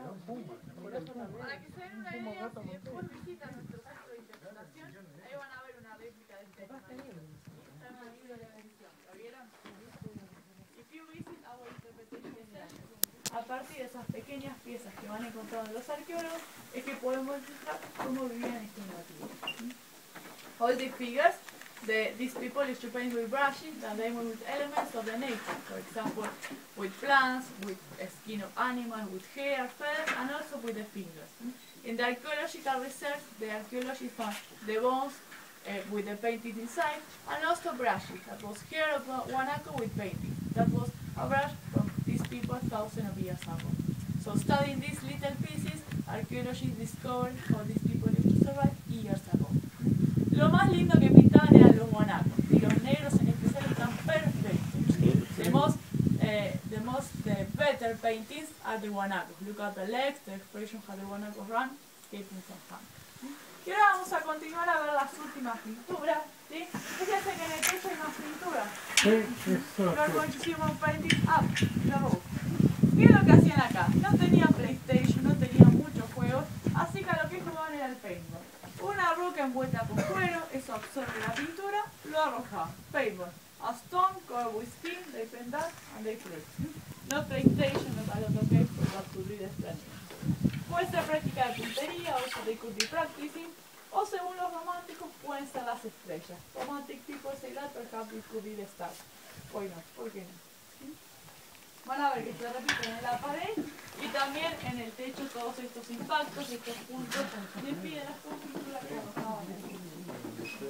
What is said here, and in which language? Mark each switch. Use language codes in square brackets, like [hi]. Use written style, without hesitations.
[es] Para que se den una idea, si después visitan nuestro centro de interpretación, ahí van a ver una réplica de este tema. Está en el libro de la edición, ¿lo vieron? [en] If you visit our interpretation [es] center, a partir de esas pequeñas piezas que van encontrando los arqueólogos, es que podemos mostrar cómo vivían estos nativos. [en] All the figures, these people used to paint with brushes and then with elements of the nature, for example, with plants, with a skin of animals, with hair, feathers, and also with the fingers. In the archaeological research, the archaeologists found the bones with the painted inside, and also brushes, that was hair of guanaco with painting. That was a brush from these people thousands of years ago. So studying these little pieces, archaeologists discovered how these people used to survive years ago. [es] Lo más lindo que pintaban eran los guanacos, y los negros en especial están perfectos. [en] The better paintings are the guanacos. Look at the legs, the expression how the guanacos run, getting some fun. [es] Y ahora vamos a continuar a ver las últimas pinturas, ¿sí? Fíjense que en el techo hay más pinturas. [en] We're going to see one painting up the roof. [es] ¿Qué es lo que hacían acá? No tenían PlayStation, no tenían muchos juegos, así que a lo que jugaban era el paintball. Una roca envuelta con cuero, eso absorbe la pintura, lo arroja. [en] Paper, a stone covered with skin, they paint that and they play. No PlayStation, no talent of games, but that could be the standard. [es] Puede ser práctica de puntería, [en] also they could be practicing, [es] o según los románticos, pueden ser las estrellas. [en] Romantic people say that, perhaps it could be the star. Why not? [es] ¿Por qué no? Van a ver que se repiten en la pared y también en el techo todos estos impactos, estos puntos de piedras con pintura que arrojaban.